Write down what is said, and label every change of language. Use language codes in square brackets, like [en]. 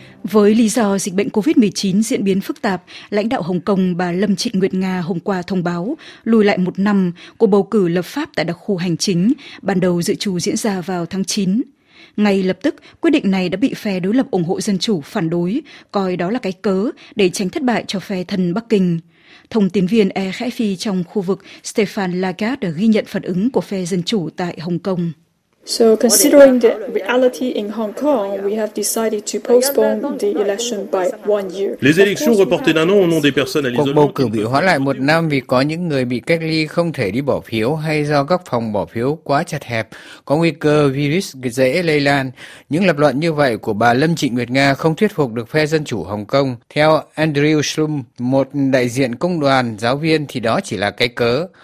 [vi] Với lý do dịch bệnh COVID-19 diễn biến phức tạp, lãnh đạo Hồng Kông bà Lâm Trịnh Nguyệt Nga hôm qua thông báo lùi lại một năm cuộc bầu cử lập pháp tại đặc khu hành chính, ban đầu dự trù diễn ra vào tháng 9. Ngay lập tức, quyết định này đã bị phe đối lập ủng hộ dân chủ phản đối, coi đó là cái cớ để tránh thất bại cho phe thân Bắc Kinh. Thông tin viên RFI trong khu vực Stefan Lagarde ghi nhận phản ứng của phe dân chủ tại Hồng Kông. [en] So considering the reality in Hong Kong, we have decided to postpone the election by 1 year. [fr] Les élections reportées d'un an au nom des personnes à l'isolement. [vi] Cuộc bầu cử bị hoãn lại một năm vì có những người bị cách ly không thể đi bỏ phiếu hay do các phòng bỏ phiếu quá chật hẹp, có nguy cơ virus dễ lây lan. Những lập luận như vậy của bà Lâm Trịnh Nguyệt Nga không thuyết phục được phe dân chủ Hồng Kông. Theo Andrew Schlum, một đại diện công đoàn giáo viên, thì đó chỉ là cái cớ.